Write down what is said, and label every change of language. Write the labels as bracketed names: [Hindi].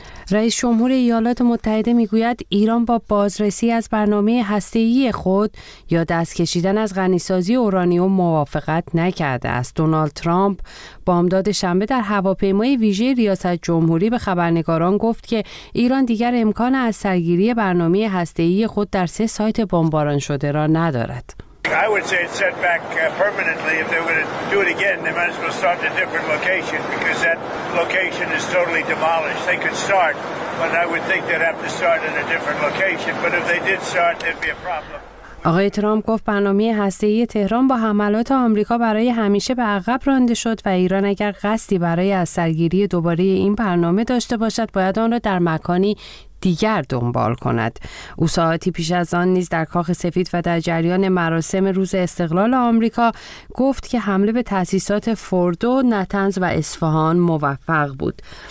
[Persian] رئیس جمهور ایالات متحده میگوید ایران با بازرسی از برنامه هسته‌ای خود یا دست کشیدن از غنی‌سازی اورانیوم موافقت نکرده است. دونالد ترامپ بامداد شنبه در هواپیمای ویژه ریاست جمهوری به خبرنگاران گفت که ایران دیگر امکان از سرگیری برنامه هسته‌ای خود در 3 سایت بمباران شده را ندارد. [English] I would say it's set back permanently. If they're going to do it again, they might as well start at a different location because that location is totally demolished. They could start, but I would think they'd have to start at a different location. But if they did start, there'd be a problem. [Persian] آقای ترامپ گفت برنامه هسته‌ای تهران با حملات آمریکا برای همیشه به عقب رانده شد و ایران اگر قصدی برای از سرگیری دوباره این برنامه داشته باشد باید آن را در مکانی دیگر دنبال کند. او ساعتی پیش از آن نیز در کاخ سفید و در جریان مراسم روز استقلال آمریکا گفت که حمله به تأسیسات فوردو، نطنز و اصفهان موفق بود.